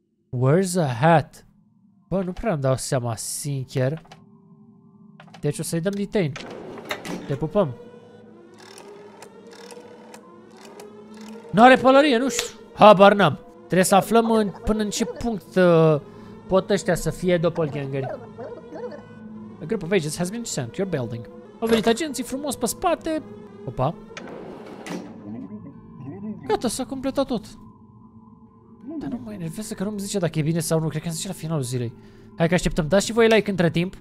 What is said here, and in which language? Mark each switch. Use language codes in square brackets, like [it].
[en] Where's a hat? [ro] Bă, nu prea îmi dau seama, sincer. Deci o să-i dăm detain. Te pupăm. N-are pălărie, nu știu. Habar n-am. Trebuie să aflăm până în ce punct pot ăștia să fie doppelganger. [en] A group of agents has been sent to your building. [ro] Au venit agenții frumos pe spate. Opa. Gata, s-a completat tot. Dar nu mă enervează că nu-mi zice dacă e bine sau nu. Cred că am zis la finalul zilei. Hai că așteptăm. Dați și voi like între timp.